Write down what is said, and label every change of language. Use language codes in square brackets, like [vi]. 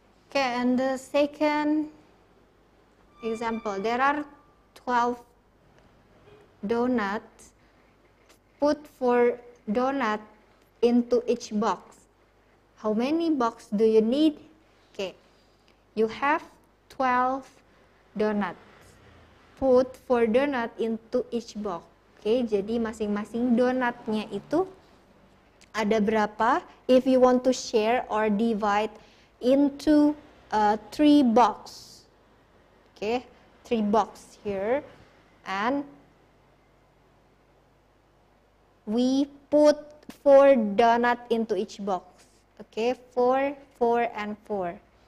[en] Okay, and the second example, there are 12 donuts, put 4 donuts into each box. How many boxes do you need? Okay, you have 12 donuts, put 4 donuts into each box. [id] Okay, jadi masing-masing donutnya itu ada berapa? [en] If you want to share or divide into three box, okay, three box here, and we put 4 donut into each box, okay, 4, 4, and 4.